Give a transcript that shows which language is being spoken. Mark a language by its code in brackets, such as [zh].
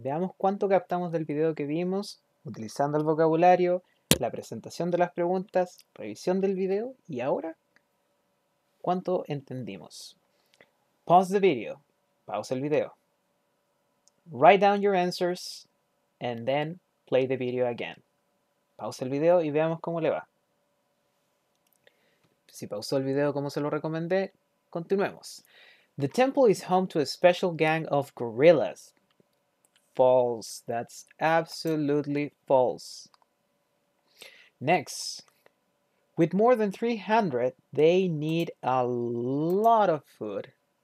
[es] Veamos cuánto captamos del video que vimos, utilizando el vocabulario, la presentación de las preguntas, revisión del video, y ahora, cuánto entendimos. [en] Pause the video, [es] pause el video. [en] Write down your answers, and then play the video again. [es] Pause el video y veamos cómo le va. Si pausó el video como se lo recomendé, continuemos. [en] The temple is home to a special gang of gorillas. False. That's absolutely false. Next. With more than 300, they need a lot of food.